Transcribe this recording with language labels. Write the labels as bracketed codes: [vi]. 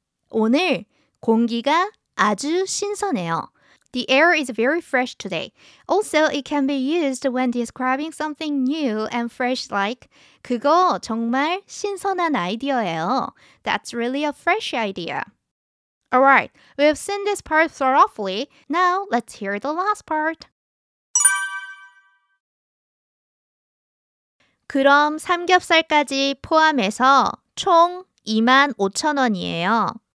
[ko] 오늘 공기가 아주 신선해요. [en] The air is very fresh today. Also, it can be used when describing something new and fresh like [ko] 그거 정말 신선한 아이디어예요. [en] That's really a fresh idea. Alright, we've seen this part thoroughly. Now, let's hear the last part. [ko] 그럼 삼겹살까지 포함해서 총 25,000원이에요.